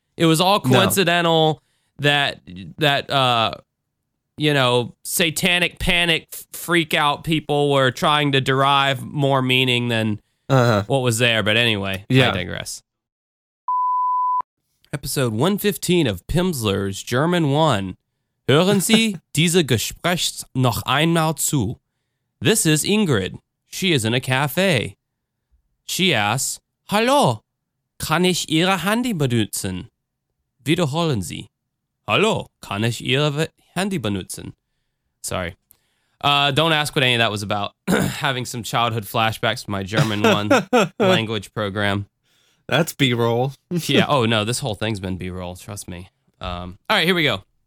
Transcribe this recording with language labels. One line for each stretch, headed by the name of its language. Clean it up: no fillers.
English: It was all coincidental. No. that satanic panic freak out people were trying to derive more meaning than what was there. But anyway, yeah. I digress. Episode 115 of Pimsleur's German 1.
German: Hören Sie diese Gespräche noch einmal zu.
English: This is Ingrid. She is in a cafe. She asks,
German: Hallo, kann ich Ihre Handy benutzen? Wiederholen Sie. Hallo, kann ich Ihre Handy benutzen?
English: Sorry. Don't ask what any of that was about. Having some childhood flashbacks to my German 1 language program. That's B-roll. Yeah, oh no, this whole thing's been B-roll, trust me. All right, here we go.